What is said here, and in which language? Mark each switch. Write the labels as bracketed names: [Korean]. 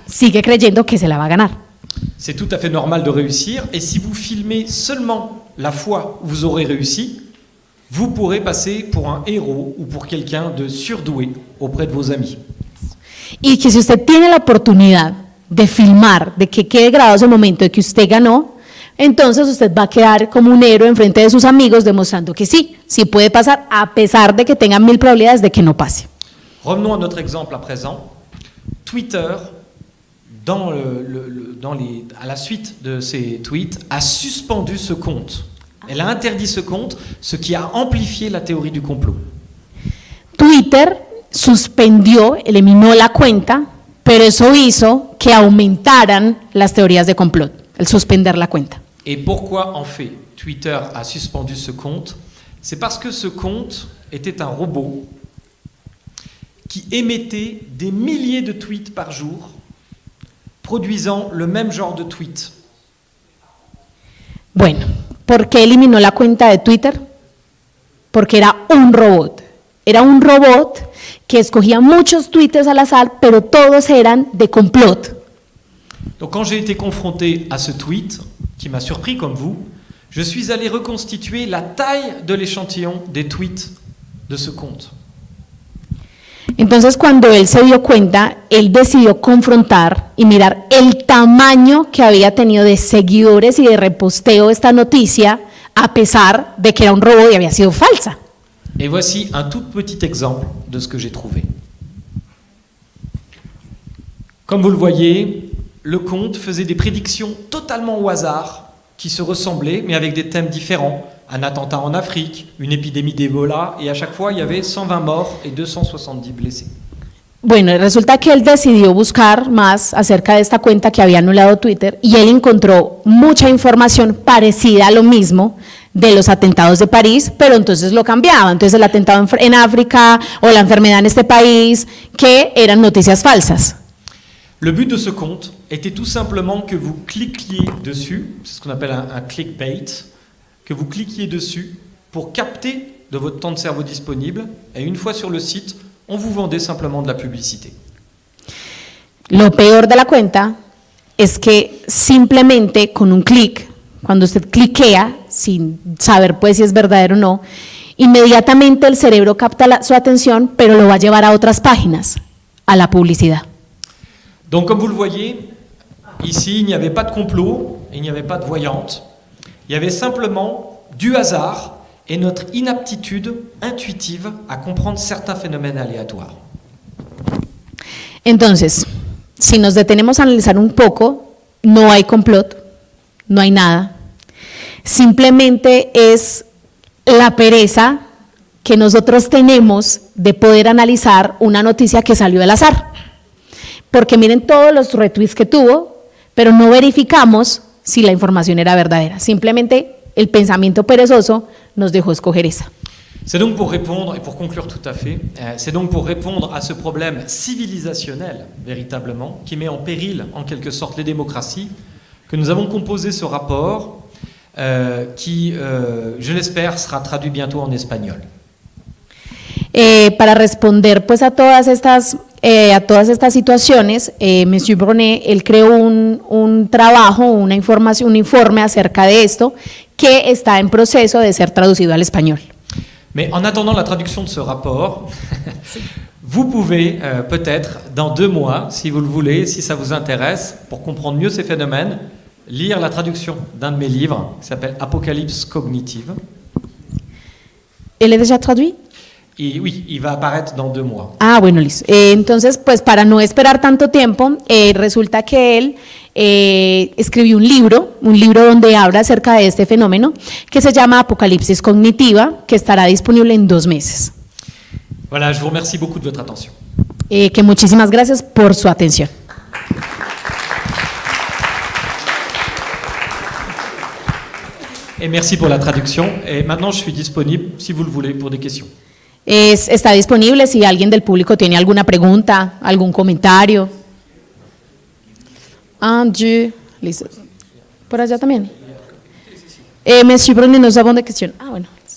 [Spanish] Sigue creyendo que se la va a ganar. [French] C'est tout à fait normal de réussir, et si vous filmez seulement la fois où vous aurez réussi, vous pourrez passer pour un héros ou pour quelqu'un de surdoué auprès de vos amis. [Spanish] Y que si usted tiene la oportunidad de filmar, de que quede grabado ese momento de que usted ganó, entonces usted va a quedar como un héroe enfrente de sus amigos demostrando que sí, sí puede pasar a pesar de que tenga mil probabilidades de que no pase. [French] Revenons à notre exemple à présent. Twitter, à la suite de ses tweets, a suspendu ce compte. Elle a interdit ce compte, ce qui a amplifié la théorie du complot. [Spanish] Twitter suspendió, eliminó la cuenta, pero eso hizo que aumentaran las teorías de complot, el suspender la cuenta. [French] Et pourquoi, en fait, Twitter a suspendu ce compte? C'est parce que ce compte était un robot qui émettait des milliers de tweets par jour, produisant le même genre de tweet. [Spanish] Bueno, ¿por qué eliminó la cuenta de Twitter? Porque era un robot. Era un robot que escogía muchos tweets al azar, pero todos eran de complot. [French] Donc, quand j'ai été confronté à ce tweet, qui m'a surpris comme vous, je suis allé reconstituer la taille de l'échantillon des tweets de ce compte. [Spanish] Entonces cuando él se dio cuenta, él decidió confrontar y mirar el tamaño que había tenido de seguidores y de reposteo esta noticia, a pesar de que era un robot y había sido falsa. [French] Et voici un tout petit exemple de ce que j'ai trouvé. Comme vous le voyez, le comte faisait des prédictions totalement au hasard, qui se ressemblaient, mais avec des thèmes différents. Un attentat en Afrique, une épidémie d'Ebola, et à chaque fois, il y avait 120 morts et 270 blessés. [Spanish] Bueno, resulta que él decidió buscar más acerca de esta cuenta que había anulado Twitter y él encontró mucha información parecida a lo mismo de los atentados de París, pero entonces lo cambiaba. Entonces el atentado en África o la enfermedad en este país, que eran noticias falsas. [French] Le but de ce compte était tout simplement que vous cliquiez dessus, c'est ce qu'on appelle un clickbait, que vous cliquiez dessus pour capter de votre temps de cerveau disponible et une fois sur le site, on vous vendait simplement de la publicité. [Spanish] Lo peor de la cuenta es que simplemente con un clic, cuando usted cliquea, sin saber pues si es verdadero o no, inmediatamente el cerebro capta su atención, pero lo va a llevar a otras páginas, a la publicidad. [French] Donc comme vous le voyez, ici il n'y avait pas de complot, il n'y avait pas de voyante. Il y avait simplement du hasard et notre inaptitude intuitive à comprendre certains phénomènes aléatoires. [Spanish] Entonces, si nos detenemos a analizar un poco, no hay complot, no hay nada. Simplemente es la pereza que nosotros tenemos de poder analizar una noticia que salió al azar. Porque miren todos los retweets que tuvo, pero no verificamos si la información era verdadera. Simplemente el pensamiento perezoso nos dejó escoger esa. [French] C'est donc pour répondre, et pour conclure tout à fait, c'est donc pour répondre à ce problème civilisationnel, véritablement, qui met en péril, en quelque sorte, les démocraties, que nous avons composé ce rapport, je l'espère, sera traduit bientôt en espagnol. [Spanish] Para responder pues a todas estas situaciones, Monsieur Brunet, él creó un trabajo, una información, un informe acerca de esto que está en proceso de ser traducido al español. [French] Mais en attendant la traduction de ce rapport, vous pouvez peut-être dans deux mois, si vous le voulez, si ça vous intéresse, pour comprendre mieux ces phénomènes, lire la traduction d'un de mes livres qui s'appelle Apocalypse Cognitive. Elle est déjà traduite? Y, oui, il va apparaître dans deux mois. [Spanish] Ah, bueno, listo. Entonces, pues para no esperar tanto tiempo, resulta que él escribió un libro donde habla acerca de este fenómeno, que se llama Apocalipsis Cognitiva, que estará disponible en dos meses. [French] Voilà, je vous remercie beaucoup de votre attention. [Spanish] Que muchísimas gracias por su atención. [French] Et merci pour la traduction. Et maintenant, je suis disponible, si vous le voulez, pour des questions. [Spanish] Está disponible si alguien del público tiene alguna pregunta, algún comentario. Andrew, listo. Por allá también. Monsieur Brunet, nos hago una cuestión. Ah, bueno.